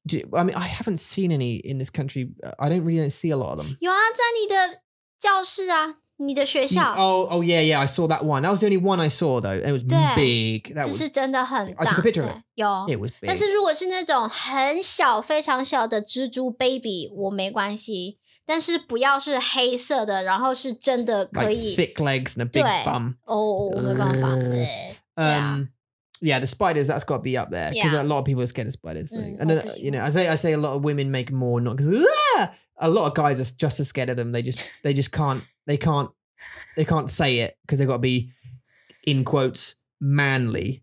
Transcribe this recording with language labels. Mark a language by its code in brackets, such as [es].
[en] I mean, I haven't seen any in this country. I don't really see a lot of them. [zh] 有啊，在你的教室啊，你的学校。 [en] Oh, yeah, I saw that one. That was the only one I saw, though. It was big. That was, [zh] 只是真的很大。 [en] I took a picture of it. [zh] 有。 [en] It was big. [zh] 但是如果是那种很小、非常小的蜘蛛 baby, 我没关系。但是不要是黑色的，然后是真的可以。 [en] Like thick legs and a big bum. [zh] 哦，没办法。 [en] Yeah, the spiders, that's got to be up there. Because a lot of people are scared of spiders. So. And then, you know, I say a lot of women make more, not because a lot of guys are just as scared of them. They just can't say it because they've got to be, in quotes, manly.